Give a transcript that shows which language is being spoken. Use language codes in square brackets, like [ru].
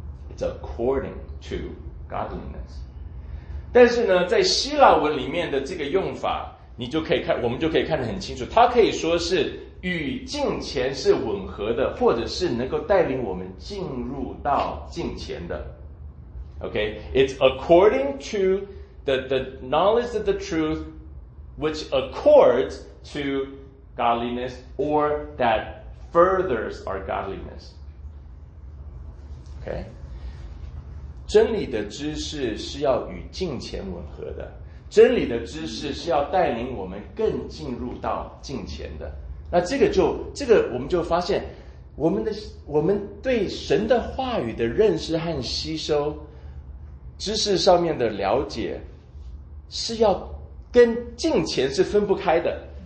[en] It's according to. Godliness， [zh] 但是呢，在希腊文里面的这个用法，你就可以看，我们就可以看得很清楚。它可以说是与敬虔是吻合的，或者是能够带领我们进入到敬虔的。 [en] OK，it's according to the knowledge of the truth which accords to godliness or that furthers our godliness. OK。 [zh] 真理的知识是要与敬虔吻合的，真理的知识是要带领我们更进入到敬虔的。那这个我们就发现，我们对神的话语的认识和吸收，知识上面的了解，是要跟敬虔是分不开的。